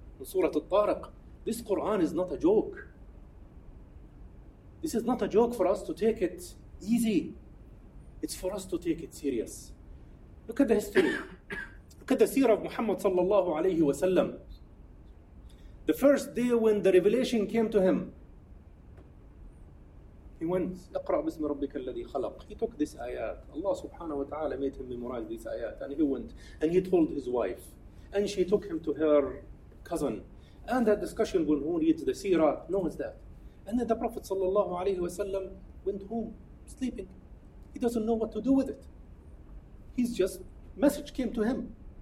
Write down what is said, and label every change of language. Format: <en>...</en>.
<en>In Surah Al-Tariq, this Quran is not a joke. This is not a joke for us to take it easy. It's for us to take it serious. Look at the history. Look at the seerah of Muhammad sallallahu alayhi wa sallam. The first day when the revelation came to him, He went,</en> <ar>اقرأ باسم ربك الذي خلق.</ar> <en>He took this ayat. Allah subhanahu wa ta'ala made him memorize this ayat. And he went, and he told his wife. And she took him to her cousin. And that discussion, when who reads the seerah knows that. And then the Prophet sallallahu alayhi wa sallam went home, sleeping. He doesn't know what to do with it. He's just, message came to him.</en>